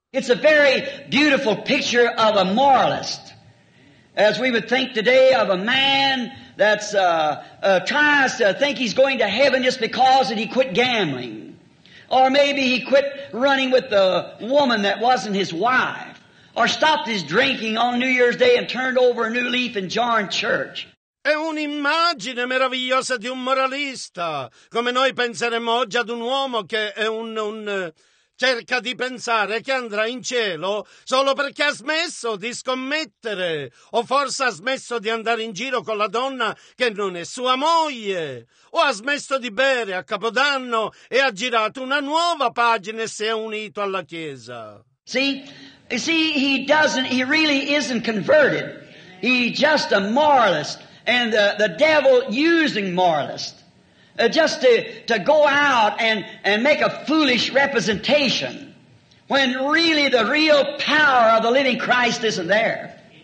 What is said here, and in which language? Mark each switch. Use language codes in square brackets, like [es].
[en] It's a very beautiful picture of a moralist, as we would think today of a man that's tries to think he's going to heaven just because that he quit gambling, or maybe he quit running with the woman that wasn't his wife, or stopped his drinking on New Year's Day and turned over a new leaf and joined church. [it] È un'immagine meravigliosa di un moralista, come noi penseremmo oggi ad un uomo che è un cerca di pensare che andrà in cielo solo perché ha smesso di scommettere, o forse ha smesso di andare in giro con la donna che non è sua moglie, o ha smesso di bere a Capodanno e ha girato una nuova pagina e si è unito alla Chiesa. Sì, [en] he really isn't converted. He's just a moralist. And the devil using moralists just to go out and make a foolish representation when really the real power of the living Christ isn't there.